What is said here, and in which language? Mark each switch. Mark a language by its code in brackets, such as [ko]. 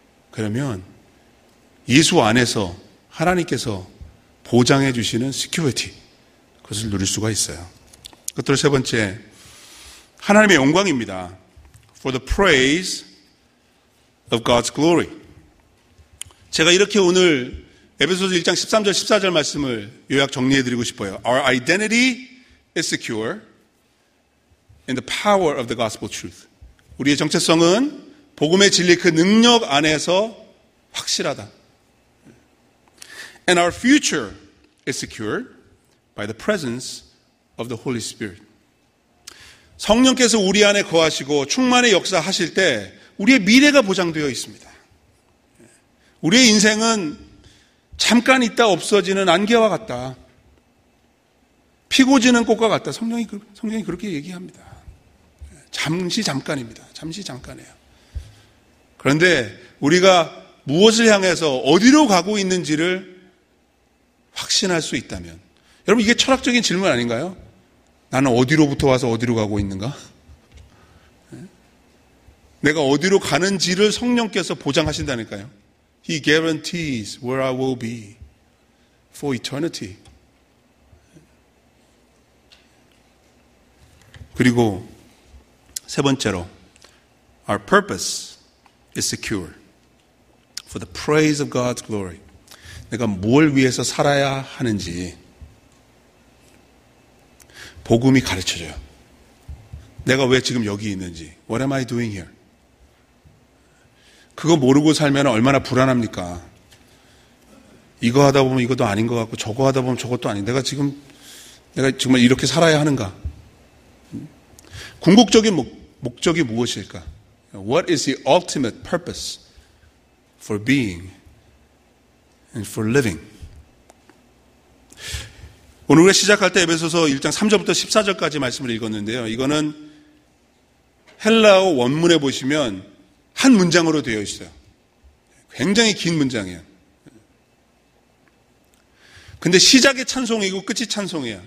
[ko] 그러면 예수 안에서 하나님께서 보장해 주시는 시큐리티, 그것을 누릴 수가 있어요. 그것들 세 번째, 하나님의 영광입니다. [en] For the praise of God's glory. [ko] 제가 이렇게 오늘 에베소서 1장 13절 14절 말씀을 요약 정리해 드리고 싶어요. [en] Our identity is secure in the power of the gospel truth. [ko] 우리의 정체성은 복음의 진리 그 능력 안에서 확실하다. [en] And our future is secured by the presence of the Holy Spirit. [ko] 성령께서 우리 안에 거하시고 충만의 역사하실 때 우리의 미래가 보장되어 있습니다. 우리의 인생은 잠깐 있다 없어지는 안개와 같다. 피고 지는 꽃과 같다. 성령이 그렇게 얘기합니다. 잠시 잠깐입니다. 잠시 잠깐이에요. 그런데 우리가 무엇을 향해서 어디로 가고 있는지를 확신할 수 있다면, 여러분 이게 철학적인 질문 아닌가요? 나는 어디로부터 와서 어디로 가고 있는가? 내가 어디로 가는지를 성령께서 보장하신다니까요. [en] He guarantees where I will be for eternity. [ko] 그리고 세 번째로, [en] Our purpose is secure for the praise of God's glory. [ko] 내가 뭘 위해서 살아야 하는지 복음이 가르쳐줘요. 내가 왜 지금 여기 있는지. [en] What am I doing here? [ko] 그거 모르고 살면 얼마나 불안합니까? 이거 하다 보면 이것도 아닌 것 같고 저거 하다 보면 저것도 아닌. 내가 정말 이렇게 살아야 하는가? 궁극적인 목적이 무엇일까? [en] What is the ultimate purpose for being and for living? [ko] 오늘 우리가 시작할 때 에베소서 1장 3절부터 14절까지 말씀을 읽었는데요. 이거는 헬라어 원문에 보시면 한 문장으로 되어 있어요. 굉장히 긴 문장이에요. 근데 시작이 찬송이고 끝이 찬송이에요.